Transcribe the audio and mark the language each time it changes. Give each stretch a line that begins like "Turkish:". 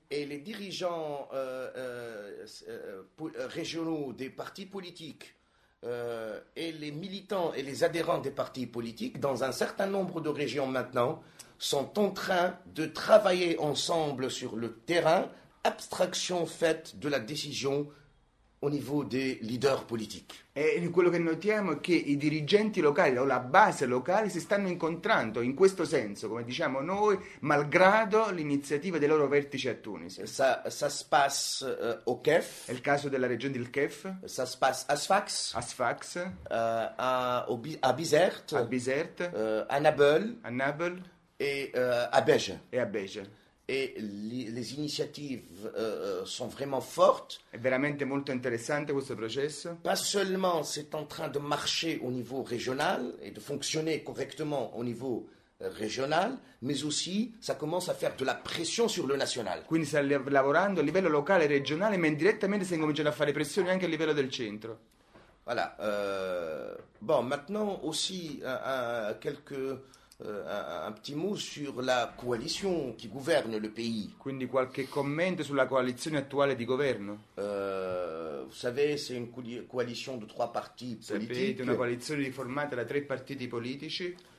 Italian: E i dirigenti regionali dei partiti politici e i militanti e gli aderenti dei partiti politici, in un certo numero di regioni maintenant, sono in train di lavorare ensemble sul terreno,
French: abstraction faite
Italian: della decisione.
French: Au niveau des leaders politiques.
Italian: E quello che notiamo è che i dirigenti locali o la base locale si stanno incontrando in questo senso, come diciamo noi, malgrado l'iniziativa dei loro vertici a Tunisi.
French: Ça se passe au Kef.
Italian: È il caso della regione del Kef.
French: Ça se passe à Sfax.
Italian: A Sfax.
French: À Bizerte.
Italian: A Bizerte.
French: À Nabeul.
Italian: A Nabeul.
French: Et à Béja.
Italian: E a Béja.
French: Et les initiatives sont vraiment fortes.
Italian: È veramente molto interessante questo processo.
French: Pas seulement c'est en train de marcher au niveau régional et de fonctionner correctement au niveau régional, mais aussi ça commence à faire de la pression sur le national.
Italian: Quindi sta lavorando a livello locale e regionale, ma indirettamente si incominciano a fare pressioni anche a livello del centro.
French: Voilà. Bon, maintenant aussi quelques un petit mot sur la coalition qui gouverne le pays.
Italian: Quindi qualche commento sulla coalizione attuale di governo.
French: Vous savez, c'est une coalition de trois partis politiques.
Italian: Sapete, una coalizione formata da tre partiti politici.